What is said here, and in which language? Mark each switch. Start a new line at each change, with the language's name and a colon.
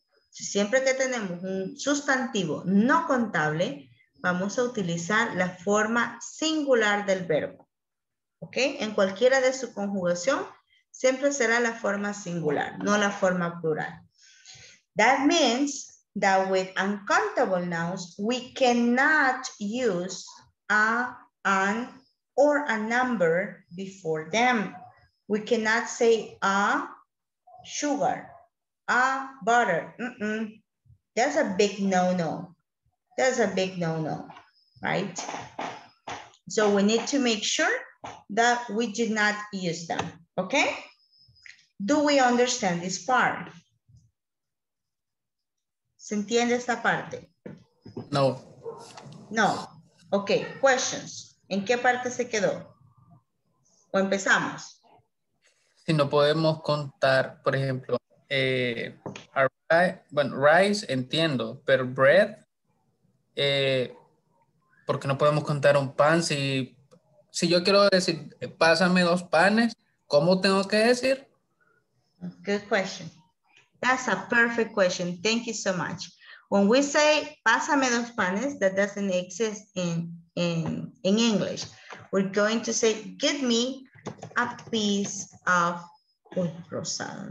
Spanish: Siempre que tenemos un sustantivo no contable, vamos a utilizar la forma singular del verbo, ¿ok? En cualquiera de su conjugación, siempre será la forma singular, no la forma plural.
English: That means that with uncountable nouns, we cannot use a, an, or a number before them. We cannot say a sugar, a butter. Mm-mm. That's a big no-no. That's a big no-no, right? So we need to make sure that we did not use them, okay? Do we understand this part?
Spanish: ¿Se entiende esta parte? No. No.
English: Okay, questions.
Spanish: ¿En qué parte se quedó? ¿O empezamos? Si no podemos contar, por ejemplo, rice, entiendo, pero bread... porque no podemos contar un pan. Si yo quiero decir pásame dos panes, ¿cómo tengo que decir?
English: Good question. That's a perfect question. Thank you so much. When we say
Spanish: pásame dos panes,
English: that doesn't exist in English. We're going to say give me a piece of rosado.